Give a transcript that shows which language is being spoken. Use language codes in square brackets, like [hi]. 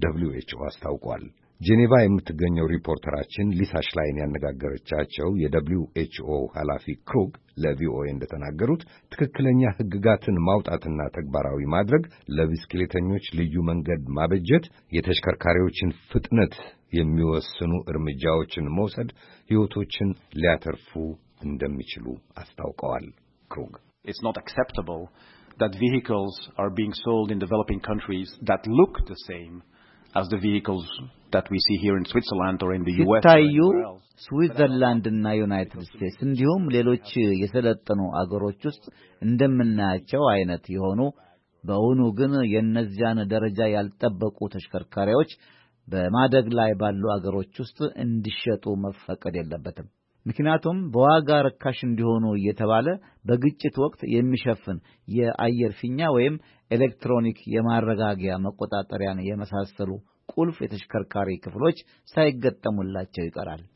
[am] WHO አስታውቋል። ጄኔቫ የምትገኘው ሪፖርተራችን ሊሳ ሽላይን ያነጋገረቻቸው የWHO ኃላፊ ክሩግ ለቪኦኤ እንደተናገሩት ትክክለኛ ሕግጋትን ማውጣትና ተግባራዊ ማድረግ፣ ለብስክሌተኞች ልዩ መንገድ ማበጀት፣ የተሽከርካሪዎችን ፍጥነት የሚወስኑ እርምጃዎችን መውሰድ ሕይወቶችን ሊያተርፉ እንደሚችሉ አስታውቀዋል። ክሩግ [en] It's not acceptable that vehicles are being sold in developing countries that look the same as the vehicles that we see here in Switzerland or in the US. [am] ታዩ ስዊዘርላንድ እና ዩናይትድ ስቴትስ እንዲሁም ሌሎች የሰለጠኑ አገሮች ውስጥ እንደምናያቸው አይነት የሆኑ በእውኑ ግን የነዚያን ደረጃ ያልተጠበቁ ተሽከርካሪዎች በማደግ ላይ ባሉ አገሮች ውስጥ እንዲሸጡ መፈቀድ የለበትም። ምክንያቱም በዋጋ ርካሽ እንዲሆኑ እየተባለ በግጭት ወቅት የሚሸፍን የአየር ፊኛ ወይም ኤሌክትሮኒክ የማረጋጋያ መቆጣጠሪያን የመሳሰሉ ቁልፍ የተሽከርካሪ ክፍሎች ሳይገጠሙላቸው ይቀራል።